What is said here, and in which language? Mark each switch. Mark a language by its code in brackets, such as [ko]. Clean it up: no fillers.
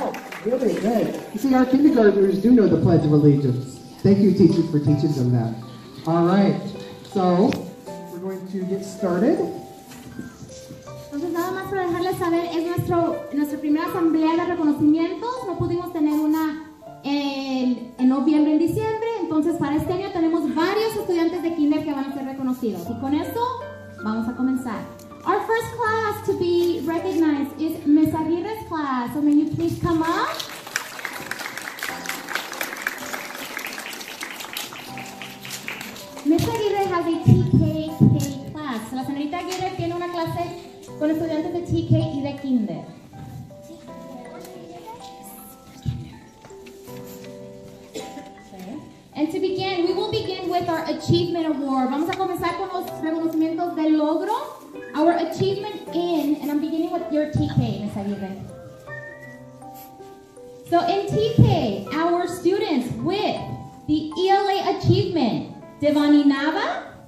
[en] Thank you for your help. Really good. You see, our kindergartners do know the Pledge of Allegiance. Thank you, teachers, for teaching them that. All right. So, we're going to get started. [es] Entonces, nada más para dejarles saber, es nuestra primera asamblea de reconocimientos. No pudimos tener una en noviembre, en diciembre. Entonces, para este año tenemos varios estudiantes de kinder que van a ser reconocidos. Y con eso, vamos a comenzar. [en] Our first class to be recognized is Ms. Aguirre's class. So may you please come up? Ms. Aguirre has a TKK class. [es] La señorita Aguirre tiene una clase con estudiantes de TK y de kinder. [en] And to begin, we will begin with our achievement award. [es] Vamos a comenzar con los reconocimientos del logro. [en] Our achievement in, and I'm beginning with your TK, Ms. Aguirre. So in TK, our students with the ELA achievement, Devani Nava.